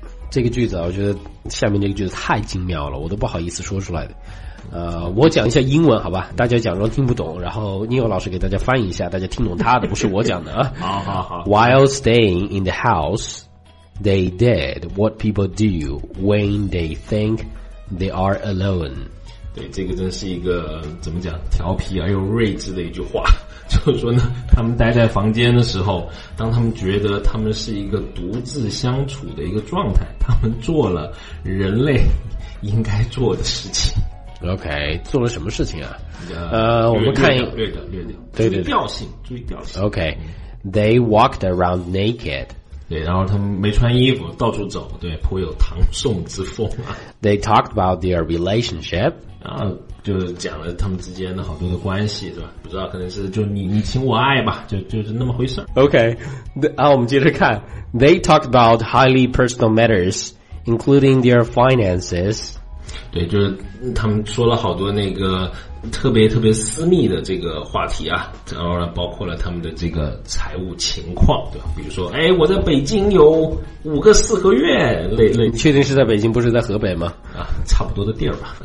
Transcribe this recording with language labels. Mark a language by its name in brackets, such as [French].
[Chinese] 这个句子我觉得下面这个句子太精妙了，我都不好意思说出来的。我讲一下英文好吧，大家假装听不懂，然后宁友老师给大家翻译一下，大家听懂他的，不是我讲的啊。好好好。 [English] While staying in the house, they did what people do when they think they are alone。 [Chinese] 对，这个真是一个怎么讲，调皮而又睿智的一句话。就是说呢，他们待在房间的时候，当他们觉得他们是一个独自相处的一个状态，他们做了人类应该做的事情。 OK， 做了什么事情啊？我们看一个略掉略掉，对对对，注意调性，注意调性。 [English] OK，they walked around naked。 [Chinese] 对，然后他们没穿衣服到处走，对，颇有唐宋之风啊。 [English] They talked about their relationship。 [Chinese] 然后就是讲了他们之间的好多的关系，是吧？不知道，可能是就你情我爱吧，就是那么回事。 OK， 啊，我们接着看。 [English] They talked about highly personal matters, including their finances。 [Chinese] 对，就是他们说了好多那个特别特别私密的这个话题啊，然后呢，包括了他们的这个财务情况，对吧？比如说，哎，我在北京有5个4个月，累。确定是在北京，不是在河北吗？啊，差不多的地儿吧。